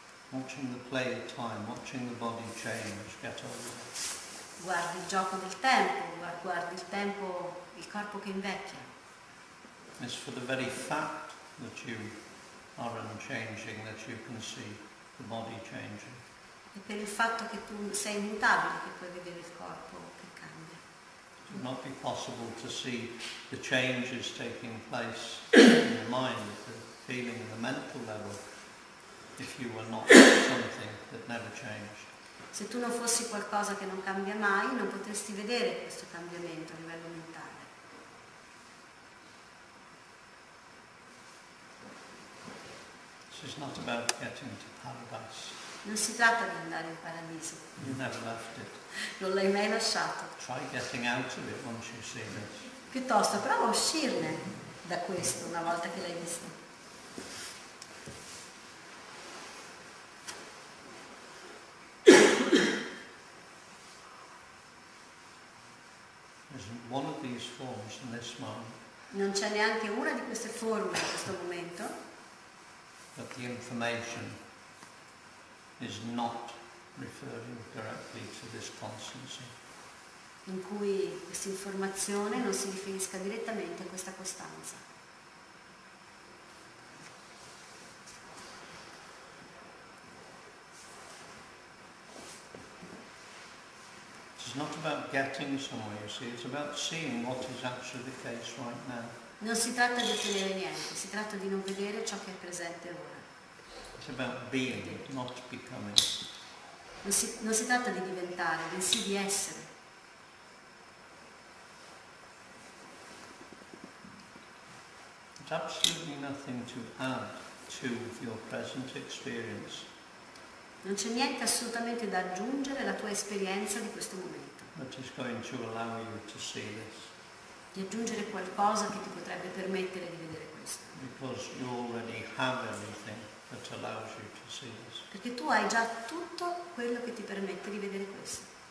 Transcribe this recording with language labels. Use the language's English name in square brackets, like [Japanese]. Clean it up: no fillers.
[English] Watching the play of time, watching the body change, get older. [Italian] Guardi il gioco del tempo, guardi il tempo, il corpo che invecchia. [English] It's for the very fact that you are unchanging that you can see the body changing. [Italian] E per il fatto che tu sei immutabile che puoi vedere il corpo che cambia. [English] It would not be possible to see the changes taking place in the mind, the feeling, the mental level, if you were not something that never changed. [Italian] Se tu non fossi qualcosa che non cambia mai, non potresti vedere questo cambiamento a livello mentale. [English] This is not about getting to paradise. [Italian] Non si tratta di andare in paradiso. [English] You never left it. [Italian] Non l'hai mai lasciato. [English] Try getting out of it once you see this. [Italian] Piuttosto prova a uscirne da questo una volta che l'hai visto. [English] One of these forms in this moment. [Italian] Non c'è neanche una di queste forme in questo momento. [English] But the information is not referring directly to this constancy. [Italian] In cui questa informazione non si riferisca direttamente a questa costanza. [English] It's not about getting somewhere, you see, it's about seeing what is actually the case right now. [Italian] Non si tratta di ottenere niente, si tratta di non vedere ciò che è presente ora. [English] It's about being, not becoming. [Italian] Non si tratta di diventare, bensì di essere. [English] It's absolutely nothing to add to your present experience. [Italian] Non c'è niente assolutamente da aggiungere alla tua esperienza di questo momento. [English] That is going to allow you to see this. [Italian] Di aggiungere qualcosa che ti potrebbe permettere di vedere questo. [English] Because you already have everything that allows you to see this. [Italian] Perché tu hai già tutto quello che ti permette di vedere questo.